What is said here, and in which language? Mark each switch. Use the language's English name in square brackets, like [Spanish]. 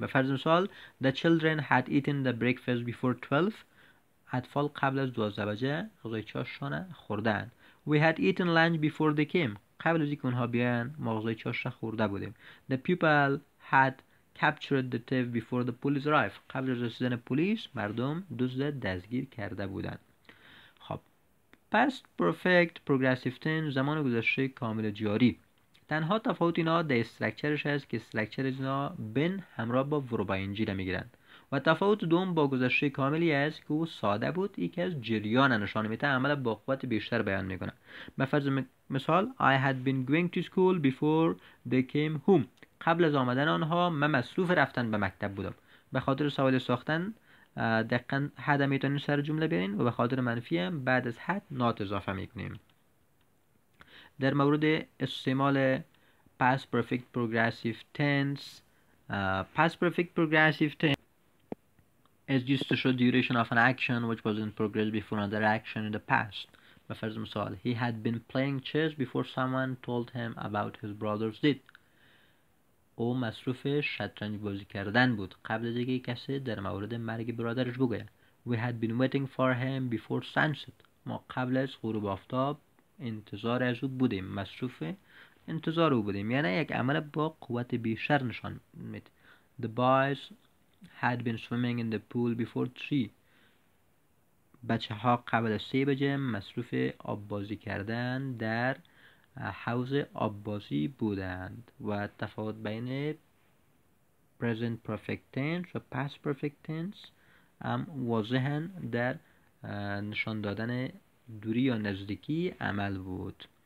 [Persian] به فرض مثال [English] the children had eaten the breakfast before 12. [Persian] اطفال قبل از 12 بجه غذای چاششان خوردن. [English] We had eaten lunch before they came. [Persian] قبل از اینکه اونها بیان ما غذای چاشش خورده بودیم. [English] The people had captured the thief before the police arrived. [Persian] قبل از رسیدن پلیس مردم دزد دستگیر کرده بودند. خب [English] past perfect progressive tense [Persian] زمان گذشته کامل جاری. تنها تفاوت اینا در استرکچرش هست که استرکچر اینا بن همراه با ورب ing را میگیرند. و تفاوت دوم با گذشته کاملی است که او ساده بود، یک از جریان نشان میده، عمل با قوت بیشتر بیان میکنه. به فرض مثال [English] I had been going to school before they came home. [Persian] قبل از آمدن آنها من مصروف رفتن به مکتب بودم. به خاطر سوال ساختن دقیقا حد میتونین سر جمله بیارین و به خاطر منفی هم بعد از حد نات اضافه میکنیم. در مورد استعمال [English] past perfect progressive tense. Past perfect progressive tense is used to show duration of an action which was in progress before another action in the past. But first example, he had been playing chess before someone told him about his brother's death. [Persian] او مصروف شطرنج بازی کردن بود قبل از اینکه کسی در مورد مرگ برادرش بگوید. [English] We had been waiting for him before sunset. [Persian] ما قبل از غروب آفتاب انتظار از او بودیم. مصروف انتظار او بودیم. یعنی یک عمل با قوت بیشتر نشان میده. [English] The boys had been swimming in the pool before 3. [Persian] بچه ها قبل از 3 بجه مصروف آب بازی کردن در حوض آب بازی بودند. و تفاوت بین present perfect tense و past perfect tense هم واضحا در نشان دادن دوری یا نزدیکی عمل بود.